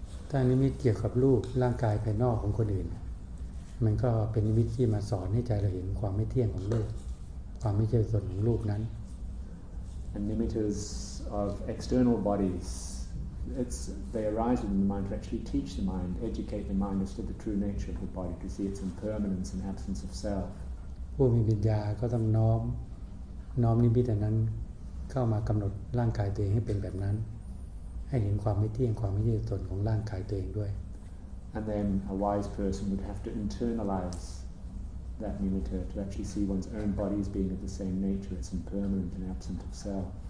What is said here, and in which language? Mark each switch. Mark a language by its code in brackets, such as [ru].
[th] ถ้านิมิตเกี่ยวกับรูปร่างกายภายนอกของคนอื่นมันก็เป็นนิมิตที่มาสอนให้ใจเราเห็นความไม่เที่ยงของรูปความไม่ใช่ส่วนของรูปนั้น [en] And nimittas of external bodies. They arise within the mind to actually teach the mind, educate the mind as to the true nature of the body, to see its impermanence and absence of self. [th] ผู้มีปัญญาก็ต้องน้อมนิมิตนั้นเข้ามากำหนดร่างกายตัวเองให้เป็นแบบนั้นให้เห็นความไม่เที่ยงความไม่ยืดตนของร่างกายตัวเองด้วย [en] And then a wise person would have to internalize that nimitta to actually see one's own body as being of the same nature, its impermanent and absent of self.